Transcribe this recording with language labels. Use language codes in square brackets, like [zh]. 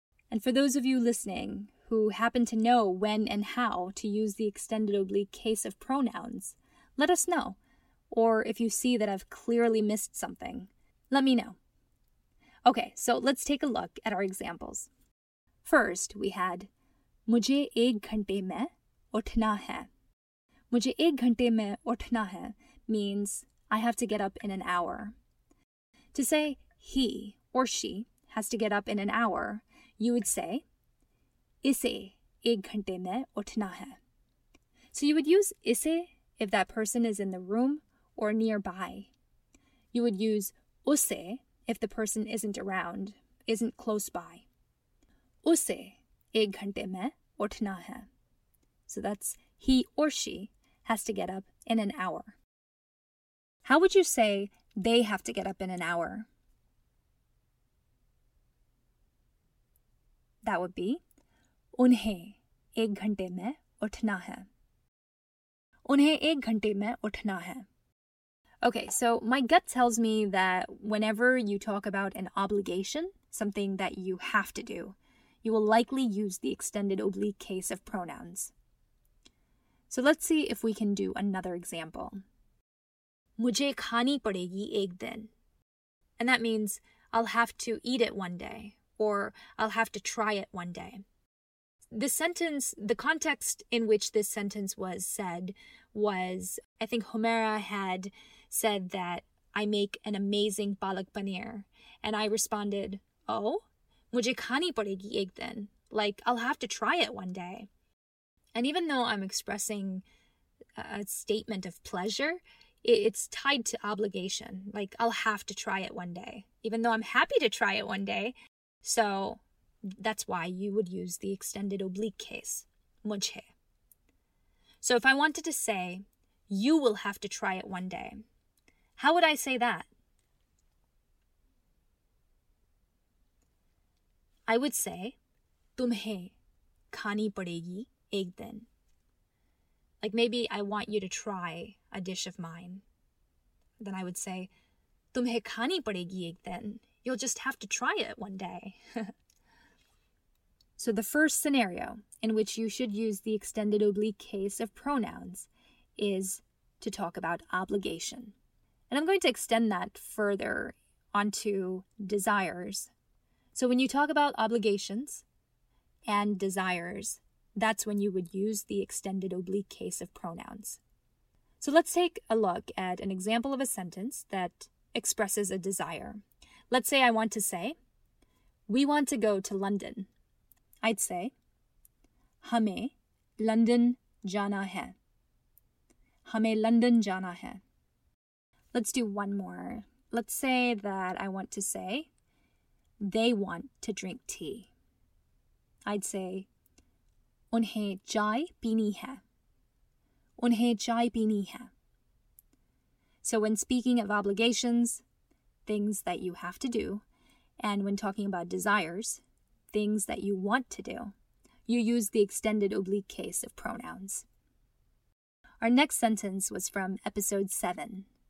[en] And for those of you listening who happen to know when and how to use the extended oblique case of pronouns, let us know. Or if you see that I've clearly missed something, let me know. Okay, so let's take a look at our examples. First, we had, [hi] मुझे एक घंटे में उठना है. मुझे एक घंटे में उठना है [en] means I have to get up in an hour. To say he or she has to get up in an hour, you would say [hi] इसे एक घंटे में उठना है. [en] So you would use इसे if that person is in the room or nearby. You would use उसे if the person isn't around, isn't close by. [hi] उसे एक घंटे में उठना है. [en] So that's he or she has to get up in an hour. How would you say they have to get up in an hour? That would be [hi] उन्हें एक घंटे में उठना है. उन्हें एक घंटे में उठना है. [en] Okay, so my gut tells me that whenever you talk about an obligation, something that you have to do, you will likely use the extended oblique case of pronouns. So let's see if we can do another example. [hi] मुझे खानी पड़ेगी एक दिन. [en] And that means I'll have to eat it one day, or I'll have to try it one day. The sentence, the context in which this sentence was said was, I think Homera had said that I make an amazing palak paneer. And I responded, oh, [hi] मुझे खानी पड़ेगी एक दिन. [en] Like, I'll have to try it one day. And even though I'm expressing a statement of pleasure, it's tied to obligation. Like, I'll have to try it one day, even though I'm happy to try it one day. So that's why you would use the extended oblique case, मुझे. So if I wanted to say, you will have to try it one day, how would I say that? I would say, [hi] तुम्हें खानी पड़ेगी. एक दिन. [en] Like maybe I want you to try a dish of mine. Then I would say, [hi] तुम्हें खानी पड़ेगी एक दिन. [en] You'll just have to try it one day. So the first scenario in which you should use the extended oblique case of pronouns is to talk about obligation. And I'm going to extend that further onto desires. So when you talk about obligations and desires, that's when you would use the extended oblique case of pronouns. So let's take a look at an example of a sentence that expresses a desire. Let's say I want to say, we want to go to London. I'd say, [hi] हमें London जाना है. हमें London जाना है. [en] Let's do one more. Let's say that I want to say, they want to drink tea. I'd say, [hi] उन्हें चाय पीनी है. उन्हें चाय पीनी है. [en] So when speaking of obligations, things that you have to do, and when talking about desires, things that you want to do, you use the extended oblique case of pronouns. Our next sentence was from episode 7.